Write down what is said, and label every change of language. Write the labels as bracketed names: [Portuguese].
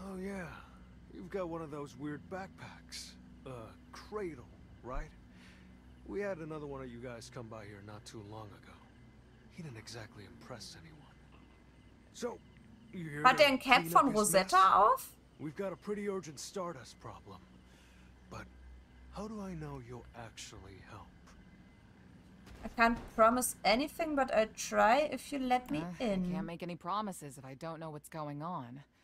[English] Oh yeah, you've got one of those weird backpacks. A cradle, right? We had another one of you guys come by here not too long ago. He didn't exactly impress anyone. So, you're here to clean up his mess? [German] Hat der ein Cap von Rosetta auf? [English] We've got a pretty urgent Stardust problem. But how do I know you'll actually help? I can't promise anything, but I'll try if you let me in. I can't make any promises if I don't know what's going on.